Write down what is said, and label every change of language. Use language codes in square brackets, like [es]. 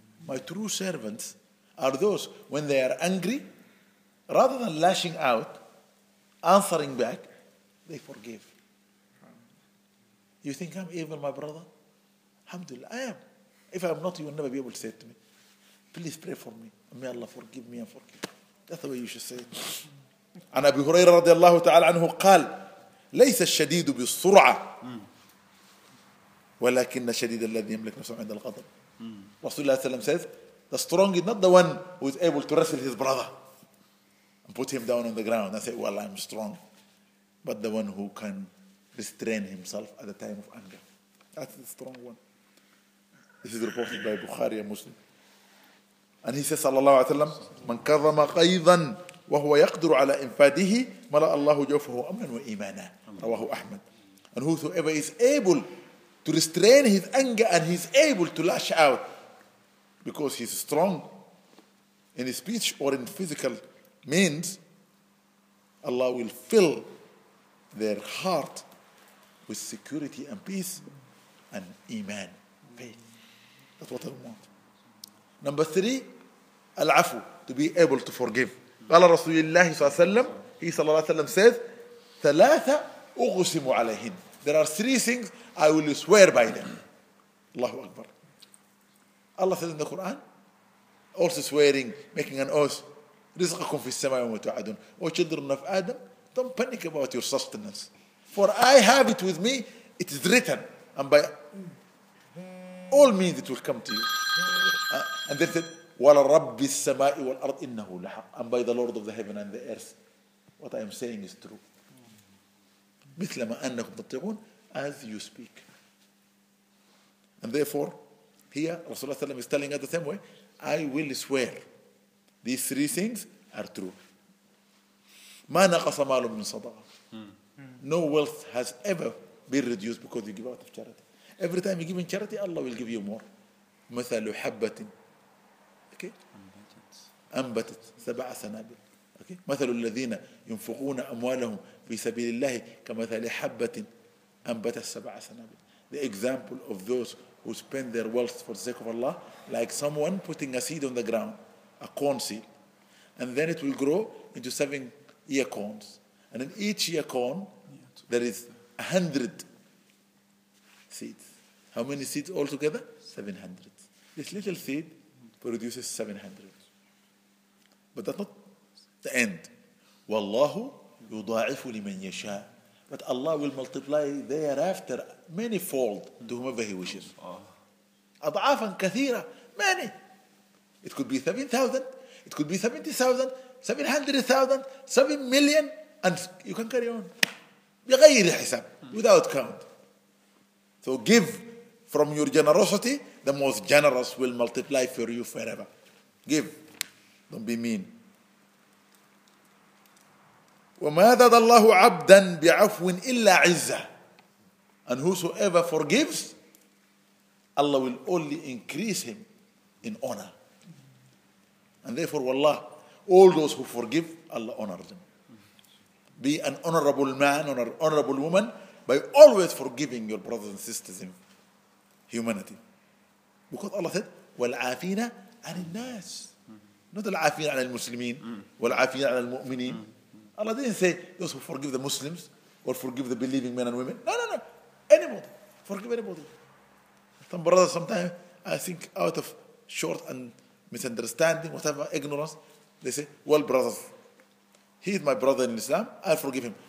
[en] My true servants are those when they are angry, rather than lashing out, answering back, they forgive. You think I'm evil, my brother? Alhamdulillah, I am. If I'm not, you will never be able to say it to me. Please pray for me. May Allah forgive me and forgive. That's the way you should say it. [ar] عن أبي هريرة رضي الله تعالى عنه قال ليس الشديد بالسرعة ولكن الشديد الذي يملك نفسه عند الغضب. رسول الله صلى الله عليه وسلم [en] said the strong is not the one who is able to wrestle his brother and put him down on the ground and say, well, I'm strong, but the one who can restrain himself at the time of anger, that's the strong one. This is reported by Bukhari and Muslim. And he says, [ar] صلى الله عليه وسلم من كظم قيضا وهو يقدر على إنفاده ملأ الله جوفه أمنا وإيمانا رواه أحمد. [en] And whosoever is able to restrain his anger and he's able to lash out because he's strong in his speech or in physical means, Allah will fill their heart with security and peace and إيمان faith. That's what I want. Number three, العفو, to be able to forgive. [ar] قال رسول الله صلى الله عليه وسلم [en] he [ar] صلى الله عليه وسلم [en] says [ar] ثلاثة أغسم عليهن. [en] There are three things I will swear by them. [ar] الله أكبر. [en] Allah says in the Quran also swearing, making an oath. [ar] رزقكم في السماء وما توعدون. [en] O children of Adam, don't panic about your sustenance. For I have it with me, it is written. And by all means it will come to you. And they said, وَلَرَبِّ السَّمَاءِ وَالْأَرْضِ إِنَّهُ لَحَقٌّ. And by the Lord of the heaven and the earth, what I am saying is true. [ar] مثل ما أنكم تطيعون, [en] as you speak. And therefore, here, Rasulullah SAW is telling us the same way, I will swear. These three things are true. [ar] مَا نَقَصَ مَالٌ مِّن صَدَقَةٍ. [en] No wealth has ever been reduced because you give out of charity. Every time you give in charity, Allah will give you more. [ar] مَثَلُ حَبَّةٍ. Okay? أَنْبَتَتْ سَبَعَ سَنَابِلٍ. Okay. مثل الذين ينفقون أموالهم في سبيل الله كمثل حبة أنبت السبع سنابل. [en] The example of those who spend their wealth for the sake of Allah, like someone putting a seed on the ground, a corn seed, and then it will grow into 7 acorns, and in each acorn there is 100 seeds. How many seeds altogether? 700. This little seed produces 700. But that's not the end. [ar] وَاللَّهُ يُضَاعِفُ لِمَنْ يَشَاءُ. [en] But Allah will multiply thereafter many fold to whomever He wishes. [ar] أَضْعَافًا كَثِيرًا. [en] Many. It could be 7,000. It could be 70,000. 700,000. 7 million. And you can carry on. [ar] بِغَيْرِ حِسَاب. [en] Without count. So give from your generosity, the most generous will multiply for you forever. Give. Don't be mean. [ar] وما زاد الله عبدا بعفو إلا عزة. [en] And whosoever forgives, Allah will only increase him in honor. And therefore, والله, all those who forgive, Allah honor them. Be an honorable man or an honorable woman by always forgiving your brothers and sisters in humanity. Because Allah said, [ar] والعافين عن الناس. Not العافين عن المسلمين والعافين عن المؤمنين. [en] Allah didn't say those who forgive the Muslims or forgive the believing men and women. No, no, no. Anybody. Forgive anybody. Some brothers sometimes, I think out of short and misunderstanding, whatever, ignorance, they say, well, brothers, he is my brother in Islam, I forgive him.